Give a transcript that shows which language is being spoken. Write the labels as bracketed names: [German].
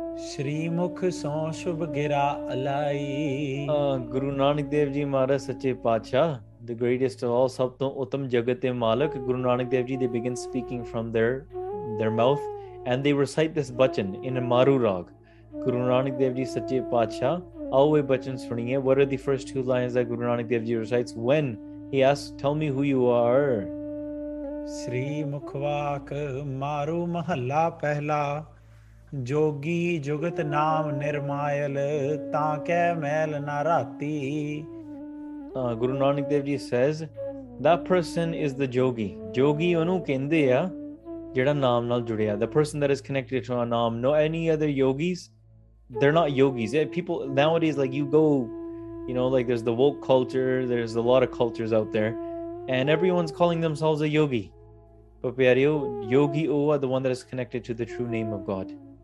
[Punjabi] Shri Mukh Son Shubh Gira Alai. [English] Guru Nanak Dev Ji Maharaj Sache Pacha, the greatest of all, [Punjabi] Sab Ton Uttam Jagat Malak. [English] Guru Nanak Dev Ji, they begin speaking from their mouth and they recite this bachan in a Maru Rag. Guru Nanak Dev Ji Sache Pacha, [Punjabi] ਆਓ ਇਹ ਬਚਨ ਸੁਣੀਏ ਵਰ ਦੀ [English] first two lines that Guru Nanak Dev ji recites when he asks tell me who you are [Punjabi] ਸ੍ਰੀ ਮੁਖਵਾਕ ਮਾਰੂ ਮਹੱਲਾ ਪਹਿਲਾ ਜੋਗੀ ਜੁਗਤ ਨਾਮ ਨਿਰਮਾਇਲ ਤਾਂ ਕੈ ਮੈਲ ਨਾ ਰਾਤੀ [English] Guru Nanak Dev Ji says that person is the yogi. [Punjabi] Yogi onu kende ya jehda naam nal judeya, [English] the person that is connected to a naam. No, any other yogis, they're not yogis. People nowadays, like, you go, you know, like, there's the woke culture, there's a lot of cultures out there, and everyone's calling themselves a yogi, but [Punjabi] pyareo, yogi oh, [English] the one that is connected to the true name of God.